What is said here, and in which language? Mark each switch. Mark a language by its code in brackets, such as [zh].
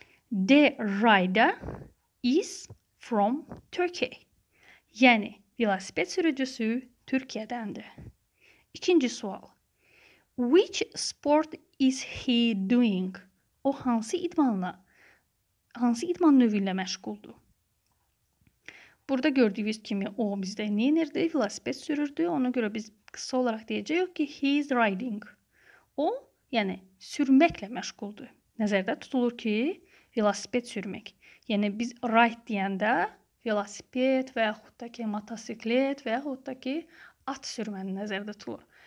[en] The rider is from Turkey. [az] Yəni, velosiped sürücüsü Türkiyədəndir. İkinci sual. [en] Which sport is he doing? [az] O hansı idman növü ilə məşğuldur? Burada gördüyünüz kimi o bizdə neynirdi, velosiped sürürdü. Ona görə biz qısa olaraq deyəcəyik ki, [en] he is riding. [az] O, yəni, sürməklə məşğuldur. Nəzərdə tutulur ki, velosiped sürmək. Yəni, biz ride deyəndə velosiped və yaxud da ki, motosiklet və yaxud da ki, at sürməni nəzərdə tutulur.